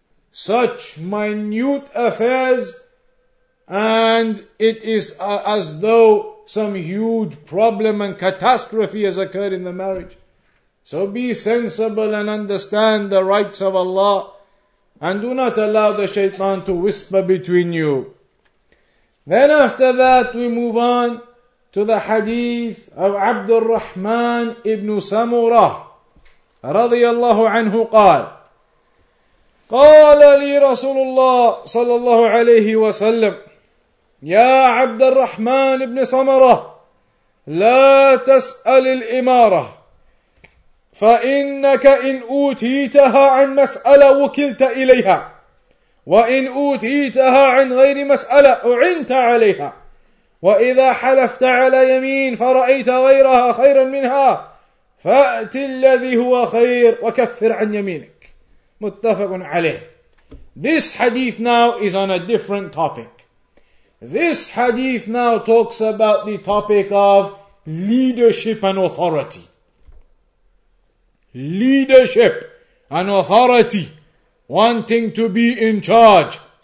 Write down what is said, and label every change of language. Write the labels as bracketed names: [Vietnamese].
[English] Such minute affairs, and it is as though some huge problem and catastrophe has occurred in the marriage. So be sensible and understand the rights of Allah. And do not allow the shaitan to whisper between you. Then after that we move on to the hadith of Abd al-Rahman ibn Samura [Arabic] رضي الله عنه قال قال لي رسول الله صلى الله عليه وسلم يا عبد الرحمن ابن سمرة لا تسأل الإمارة فإنك إن أوتيتها عن مسألة وكلت إليها وإن أوتيتها عن غير مسألة أعنت عليها وإذا حلفت على يمين فرأيت غيرها خيرا منها فأتي الذي هو خير وكفر عن يمينك متفق عليه. [English] This hadith now is on a different topic. This hadith now talks about the topic of leadership and authority. Leadership and authority, wanting to be in charge.